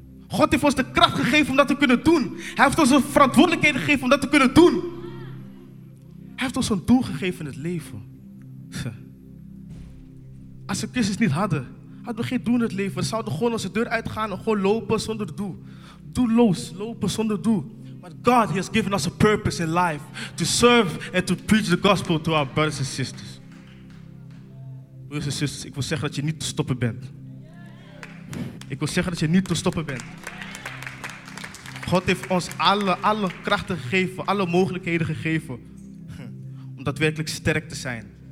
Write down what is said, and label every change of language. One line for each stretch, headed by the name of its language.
Dutch: God heeft ons de kracht gegeven om dat te kunnen doen. Hij heeft ons een verantwoordelijkheid gegeven om dat te kunnen doen. Hij heeft ons een doel gegeven in het leven. Als we Christus niet hadden, hadden we geen doel in het leven. We zouden gewoon onze deur uitgaan en gewoon lopen zonder doel. Doelloos, lopen zonder doel.
English: But God, he has given us a purpose in life. To serve and to preach the gospel to our brothers and sisters.
Dutch: Broers en zusters, ik wil zeggen dat je niet te stoppen bent. Ik wil zeggen dat je niet te stoppen bent. God heeft ons alle krachten gegeven, alle mogelijkheden gegeven. Om daadwerkelijk sterk te zijn.